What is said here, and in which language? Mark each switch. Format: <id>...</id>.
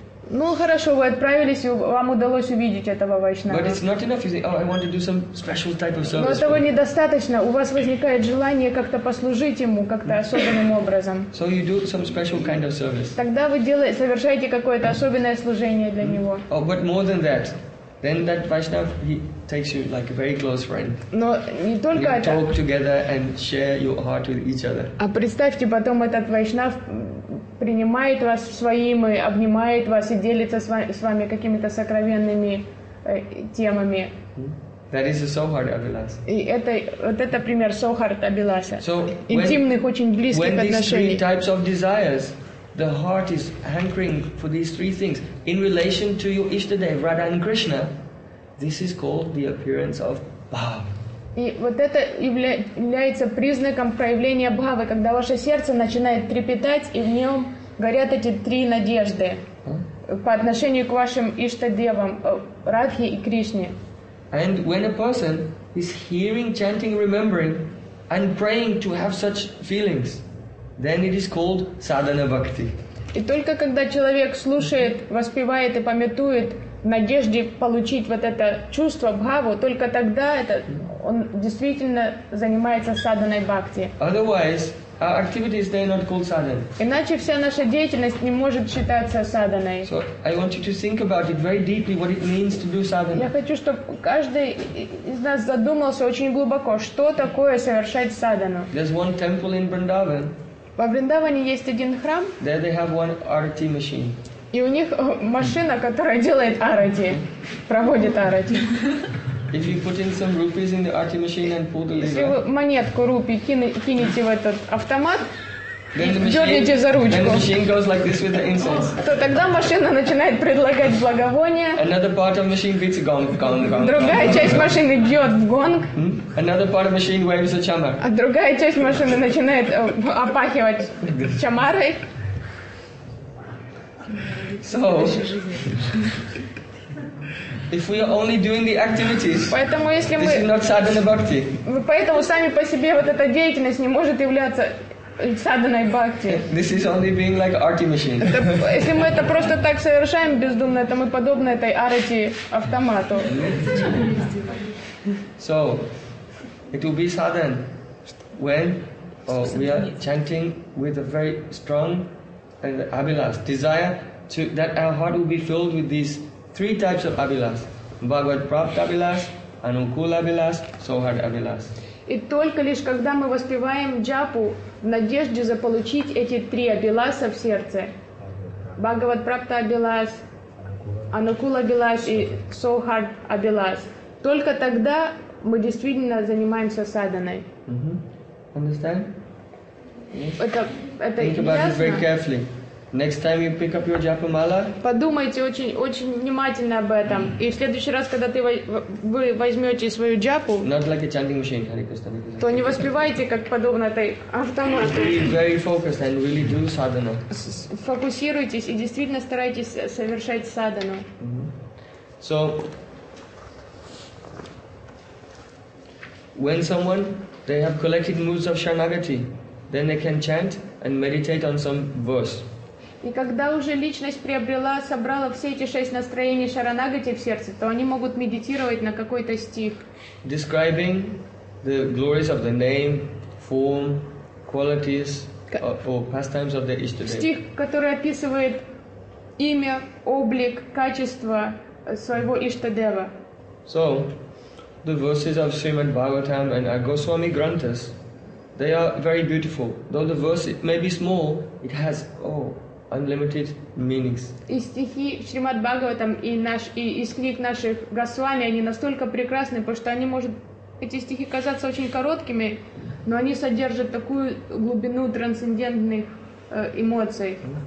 <ru>Ну хорошо, вы отправились, и вам удалось увидеть этого Вайшнава.</ru> <en>But it's not enough. You say, oh, I want to do some special type of service.</en> <ru>Но этого недостаточно. У вас возникает желание как-то послужить ему, как-то особенным образом.</ru> <en>So you do some special kind of service.</en> <ru>Тогда вы совершаете какое-то особенное служение для него.</ru> <en>Oh, but more than that, then that Vaishnava he takes you like a very close friend.</en> <ru>Но не только</ru> <en>you</en> <ru>это.</ru> <en>Talk together and share your heart with each other.</en> <ru>А представьте, потом этот Вайшнав принимает вас своим и обнимает вас и делится с вами какими-то сокровенными темами.</ru> <en>That is a Sohard Abhilas.</en> <ru>И это вот это пример Sohard Abhilasa.</ru> <en>So</en> <ru>интимных, очень близких отношений.</ru> <en>When these three types of desires, the heart is hankering for these three things in relation to your Ishtadev, Radha and Krishna, this is called the appearance of bhava.</en> <ru>И вот это является признаком проявления бхавы, когда ваше сердце начинает трепетать, и в нем горят эти три надежды по отношению к вашим Ишта-девам, Радхе и Кришне.</ru> <en>And when a person is hearing, chanting, remembering, and praying to have such feelings, then it is called sadhana bhakti.</en> <ru>И только когда человек слушает, воспевает и памятует в надежде получить вот это чувство, бхаву, только тогда это он действительно занимается садханой бхакти.</ru> <en>Otherwise, our activities, they are not called sadhana.</en> <ru>Иначе вся наша деятельность не может считаться садханой.</ru> <en>So I want you to think about it very deeply, what it means to do sadhana.</en> <ru>Я хочу, чтобы каждый из нас задумался очень глубоко, что такое совершать садхану.</ru> <en>There's one temple in Vrindavan.</en> <ru>Во Вриндаване есть один храм.</ru> <en>There they have one arati machine.</en> <ru>И у них машина, которая делает арати, проводит арати.</ru> <en>If you put in some rupees in the arati machine and pull the lever.</en> <ru>Если вы монетку рупий кинете в этот автомат, дернете за ручку.</ru> <en>Then the machine goes like this with the incense.</en> <ru>То тогда машина начинает предлагать благовония.</ru> <en>Another part of machine beats gong, gong, gong.</en> <ru>Другая часть машины бьет в гонг.</ru> <en>Another part of machine waves a chamar.</en> <ru>А другая часть машины начинает опахивать чамарой.</ru> <en>So If we are only doing the activities,</en> <ru>поэтому если</ru> <en>this</en> <ru>мы,</ru> <en>is not sadhana bhakti.</en> <ru>Поэтому сами по себе вот эта деятельность не может являться sadhana bhakti.</ru> <en>This is only being like arti machine.</en> <ru>Если мы это просто так совершаем бездумно, это мы подобны этой арти автомату.</ru> <en>So, it will be sadhana when we are chanting with a very strong and abhilas desire to that our heart will be filled with these three types of abhilas: Bhagavad Prapt abhilas, Anukul abhilas, Sohard abhilas.</en> <ru>И только лишь когда мы воспеваем джапу в надежде заполучить эти три абиласа в сердце, Бхагавад Прапта абилас, Анукул абилас и Сохард абилас, только тогда мы действительно занимаемся саданой.</ru> <en>Mm-hmm. Understand? Yes. Это think about</en> <ru>ясно?</ru> <en>It very carefully. Next time you pick up your japa mala.</en> <ru>Подумайте очень очень внимательно об этом. Mm. И в следующий раз, когда вы возьмете свою джапу,</ru> <en>not like a chanting machine, Hare Krishna, Hare Krishna.</en> <ru>То не воспевайте как подобно этой автомату.</ru> <en>Be very focused and really do sadhana.</en> <ru>Фокусируйтесь и действительно старайтесь совершать садхану.</ru> <en>So when someone they have collected moods of sharanagati, then they can chant and meditate on some verse.</en> <ru>И когда уже личность приобрела, собрала все эти шесть настроений шаранагати в сердце, то они могут медитировать на какой-то стих.</ru> <en>Describing the glories of the name, form, qualities, or pastimes of the Ishtadev.</en> <ru>Стих, который описывает имя, облик, качество своего Ishtadeva.</ru> <en>So, the verses of Srimad Bhagavatam and Goswami Granthas, they are very beautiful. Though the verse it may be small, it has, unlimited meanings.</en> <ru>И стихи Шримад Бхагаватам и наш и из книг наших Госвами они настолько прекрасны, потому что они могут эти стихи казаться очень короткими, но они содержат такую глубину трансцендентных эмоций.</ru>